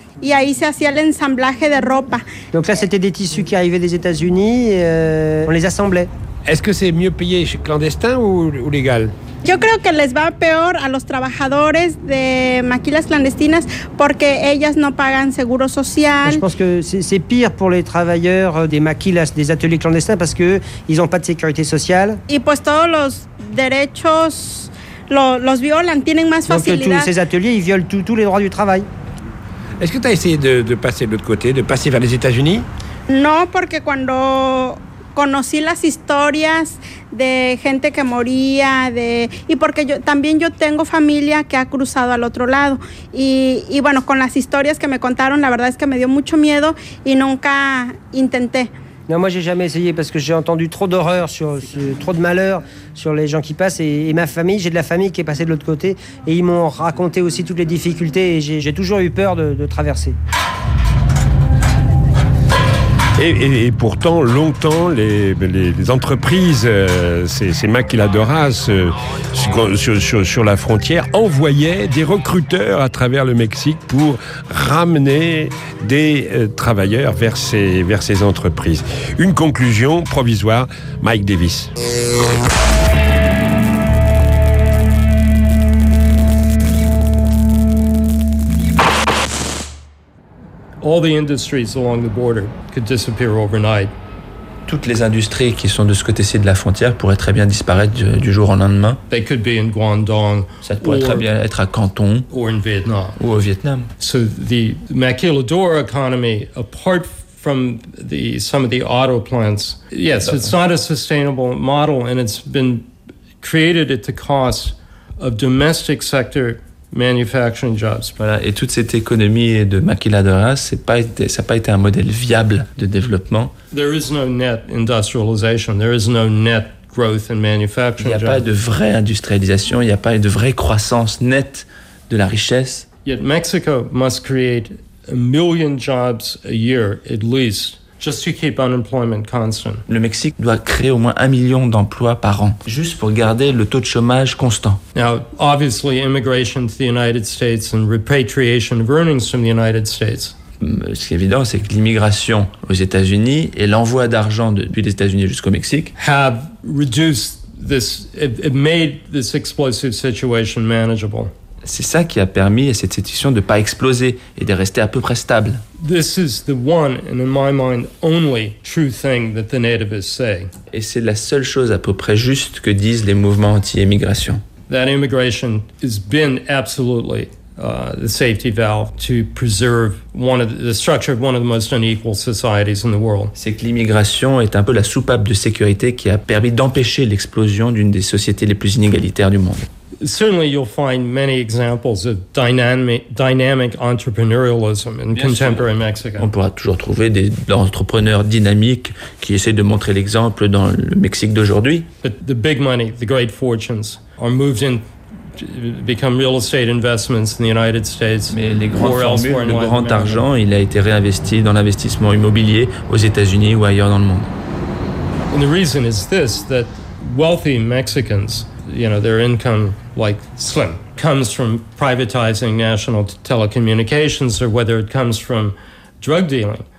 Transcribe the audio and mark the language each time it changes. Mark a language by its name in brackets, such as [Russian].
[Spanish] Et ahí se hacía el ensamblaje de ropa. [French] Donc là, c'était des tissus qui arrivaient des États-Unis. On les assemblait. Est-ce que c'est mieux payé chez clandestin ou légal? [Spanish] Yo creo que les va peor a los trabajadores de maquilas clandestinas porque ellas no pagan seguro social. [French] Je pense que c'est pire pour les travailleurs des maquilas, des ateliers clandestins parce que ils ont pas de sécurité sociale. [Spanish] Y pues todos los derechos los violan, tienen más facilidad. [French] Donc tous ces ateliers, ils violent tous les droits du travail. Est-ce que tu as essayé de passer de l'autre côté, de passer vers les États-Unis? [Spanish] No, porque cuando conocí las historias de gente que moría de y porque yo también yo tengo familia que ha cruzado al otro lado y bueno, con las historias que me contaron, la verdad es que me dio mucho miedo y nunca intenté. [French] Non, moi j'ai jamais essayé parce que j'ai entendu trop d'horreur sur trop de malheur sur les gens qui passent et ma famille, j'ai de la famille qui est passée de l'autre côté et ils m'ont raconté aussi toutes les difficultés et j'ai toujours eu peur de traverser. Et pourtant, longtemps, les entreprises, ces maquiladoras sur la frontière, envoyaient des recruteurs à travers le Mexique pour ramener des travailleurs vers ces entreprises. Une conclusion provisoire, Mike Davis. [English] All the industries along the border could disappear overnight. [French] Toutes les industries qui sont de ce côté-ci de la frontière pourraient très bien disparaître du jour au lendemain. [English] They could be in Guangdong. [French] Ça pourrait très bien être à Canton. [English] Or in Vietnam. [French] Ou au Vietnam. [English] So the maquiladora economy, apart from some of the auto plants, yes, it's not a sustainable model, and it's been created at the cost of domestic sector manufacturing jobs. [French] Voilà, et toute cette économie de maquiladora, ça n'a pas été un modèle viable de développement. [English] There is no net industrialization. There is no net growth in manufacturing jobs. [French] Il n'y a pas de vraie industrialisation, il n'y a pas de vraie croissance nette de la richesse. [English] Yet Mexico must create a million jobs a year at least. Just to keep unemployment constant. [French] Le Mexique doit créer au moins 1 million d'emplois par an, juste pour garder le taux de chômage constant. [English] Now, obviously, immigration to the United States and repatriation of earnings from the United States. [French] Ce qui est évident, c'est que l'immigration aux États-Unis et l'envoi d'argent depuis les États-Unis jusqu'au Mexique [English] have reduced this, it made this explosive situation manageable. [French] C'est ça qui a permis à cette situation de ne pas exploser et de rester à peu près stable. [English] This is the one, and in my mind, only true thing that the nativists say. [French] Et c'est la seule chose à peu près juste que disent les mouvements anti-immigration. [English] That immigration has been absolutely the safety valve to preserve the structure of one of the most unequal societies in the world. [French] C'est que l'immigration est un peu la soupape de sécurité qui a permis d'empêcher l'explosion d'une des sociétés les plus inégalitaires du monde. [English] Certainly, you'll find many examples of dynamic entrepreneurialism in contemporary Mexico. [French] On pourra toujours trouver des entrepreneurs dynamiques qui essaient de montrer l'exemple dans le Mexique d'aujourd'hui. [English] But the big money, the great fortunes, are moved in, become real estate investments in the United States. [French] Mais les grandes formules, le grand argent, il a été réinvesti dans l'investissement immobilier aux États-Unis ou ailleurs dans le monde. [English] And the reason is this: that wealthy Mexicans, you know, their income, like Slim, comes from privatizing national telecommunications or whether it comes from drug dealing.